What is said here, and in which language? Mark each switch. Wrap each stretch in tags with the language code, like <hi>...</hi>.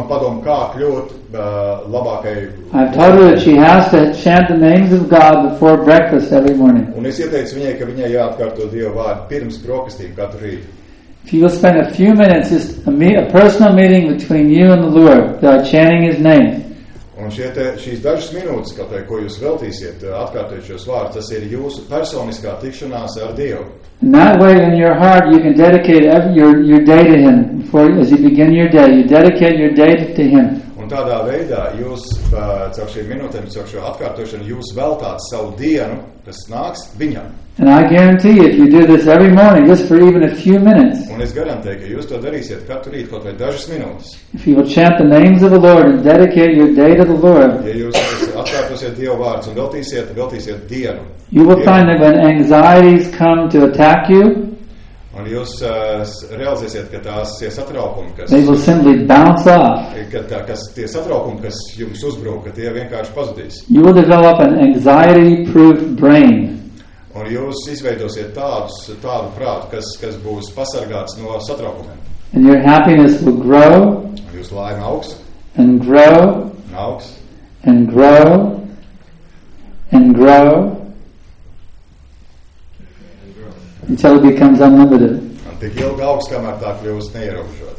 <en>I've told her that she has to chant the names of God before breakfast every morning. If you will spend a few minutes, just a personal meeting between you and the Lord, chanting His name.</en> <lv>Un šīs dažas minūtes, ko jūs veltīsiet, atkārtojot šos vārdus, tas ir jūsu personiskā tikšanās ar Dievu.</lv> <en>In that way, in your heart, you can dedicate your day to Him. Before, as you begin your day, you dedicate your day to Him.</en> <lv>Un tādā veidā, jūs, caur šiem minūtēm, caur šo atkārtošanu, jūs veltāt savu dienu, kas nāks Viņam.</lv> <en>And I guarantee if you do this every morning, just for even a few minutes.</en> <lv>Un es garantēju, ka jūs to darīsiet katru rītu kaut vai dažas minūtes.</lv> <en>If you will chant the names of the Lord and dedicate your day to the Lord,</en> <lv>ja jūs atkārtosiet Dieva vārdus un veltīsiet dienu,</lv> <en>you will find that when anxieties come to attack you,</en> <lv>un jūs realizēsiet, ka tās tie satraukumi, kas</lv> <en>they will simply bounce off.</en> <lv>Kas tie satraukumi, kas jums uzbrūk, ka tie vienkārši pazudīs.</lv> <en>You will develop an anxiety-proof brain.</en> <lv>Un jūs izveidosiet tādu prātu, kas būs pasargāts no satraukumiem.</lv> <en>And your happiness will grow.</en> <lv>Un jūs laime augs.</lv> <en>And grow.</en> <lv>Un augs.</lv> <en>And grow. And grow. Until it becomes unlimited.</en> <lv>Un tik ilgi augs, kamēr tā kļūst neierobežot.</lv>